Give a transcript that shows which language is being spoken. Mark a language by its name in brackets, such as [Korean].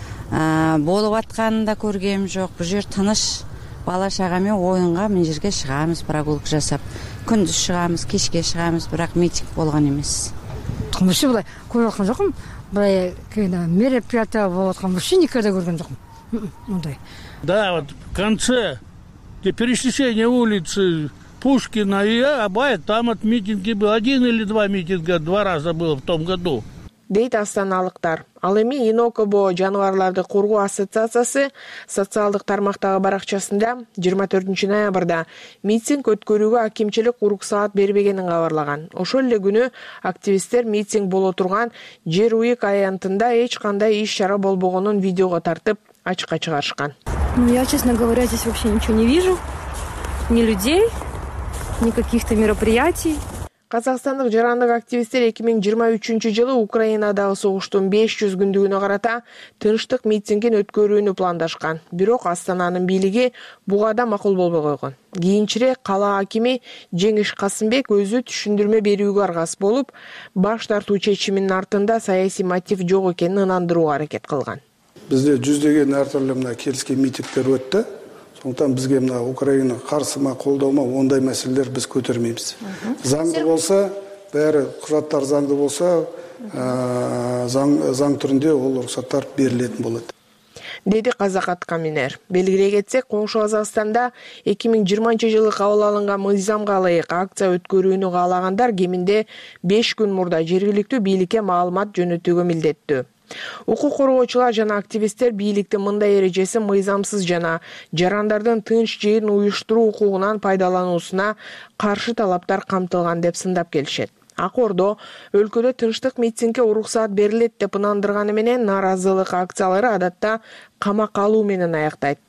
[Kyrgyz] Болуп атканын да көргөм жок. Бул жер тыныш, бала чага менен оюнга мына жерге чыгабыз, прогулка жасап. Күндүз чыгабыз, кечке чыгабыз, бирок митинг болгон эмес. Тынышы булай көрүп аткан жокмун. Баягы мероприятия болуп аткан [Russian] вообще никогда [Kyrgyz] көргөн жокмун. Мындай. [Russian] Да, вот в конце пересечения улицы Пушкина и Абая, там от митинги был один или два митинга, два раза было в том году. [Kyrgyz] Дейт астаналыктар. Ал эми Инокобо жаныбарларды коргоо ассоциациясы социалдык тармактагы баракчасында 24 ноябрда митинг өткөрүүгө акимчилик уруксаат бербегенин кабарлаган. Ошол эле күнү активисттер митинг боло турган жер УИК аянтында эч кандай иш чара болбогонун видеого тартып ачыкка чыгарышкан. [Russian] Ну я, честно говоря, здесь вообще ничего не вижу. Ни людей, ни каких-то мероприятий. [Kyrgyz] Казакстандык жарандык активисттер 2023 жылы Украинадагы согуштун 500 күндүгүнө карата тынчтык митингин өткөрүүнү пландашкан. Бирок Астананын бийлиги буга да макул болбой койгон. Кийинчерээк калаа акими Жеңиш Касымбек өзү түшүндүрмө берүүгө аргасыз болуп, баш тартуу чечиминин артында саясий мотив жок экенин ынандырууга аракет кылган. Бизде жүздөгөн ар түрлүү мына келишкен митингдер өттү. [Kazakh] Сондықтан бізге мына Украина қарсы ма, қолдау ма, ондай мәселелер біз көтермейміз. Заңды болса, бәрі құжаттар заңды болса, заң түрінде ол рұқсаттар берілетін болады. Деді Қазақат Каминер. [Kyrgyz] Белгірек етсек, қоңшы Қазақстанда 2020 жылы қаулы алынған мызамға лайық акция өткөрүүнү каалагандар кеминде 5 күн мурда жергиликтүү бийликке маалымат жөнөтүүгө милдеттүү. Укук коргоочулар жана активисттер бийликтин мындай эрежеси мыйзамсыз жана жарандардын тынч жыйын уюштуруу укугунан пайдалануусуна каршы талаптар камтылган деп сындап келишет. Акордо өлкөдө тынчтык митингге уруксат берилет деп ынандырганы менен нааразылык акциялары адатта камак алуу менен аяктайт.